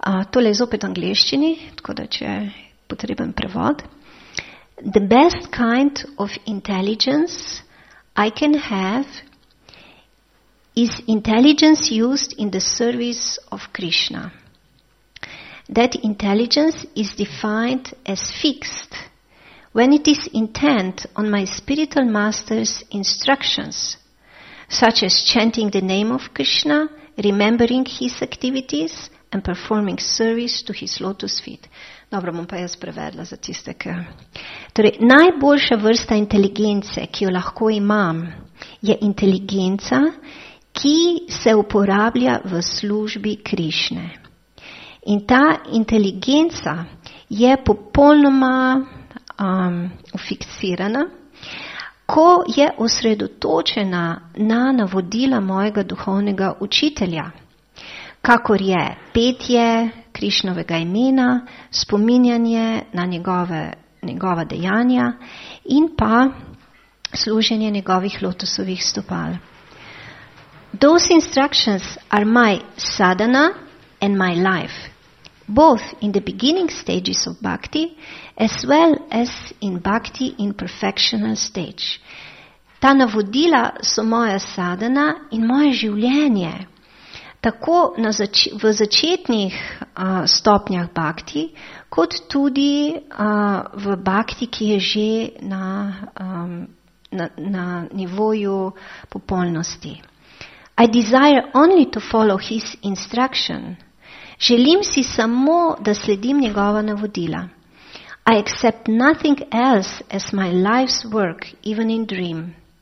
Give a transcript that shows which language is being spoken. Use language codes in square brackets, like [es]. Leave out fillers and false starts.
[sl] Tole je zopet v angleščini, tako da če je potreben prevod. [en] The best kind of intelligence I can have is intelligence used in the service of Krishna. That intelligence is defined as fixed when it is intent on my spiritual master's instructions, such as chanting the name of Krishna, remembering his activities, and performing service to his lotus feet. [sl] Dobro, bom pa jaz prevedla za tiste, ki... Torej, najboljša vrsta inteligence, ki jo lahko imam, je inteligenca, ki se uporablja v službi Krišne. In ta inteligenca je popolnoma fiksirana, ko je osredotočena na navodila mojega duhovnega učitelja, kakor je petje Krišnovega imena, spominjanje na njegova dejanja in pa služenje njegovih lotusovih stopal. [en] Those instructions are my sadhana and my life, both in the beginning stages of bhakti as well as in bhakti in perfectional stage. [sl] Ta navodila so moja sadhana in moje življenje, tako v začetnih stopnjah bhakti, kot tudi v bhakti, ki je že na nivoju popolnosti. [en] I desire only to follow his instruction. [sl] Želim si samo, da sledim njegova navodila. [en] I accept nothing else as my life's work, even in dream.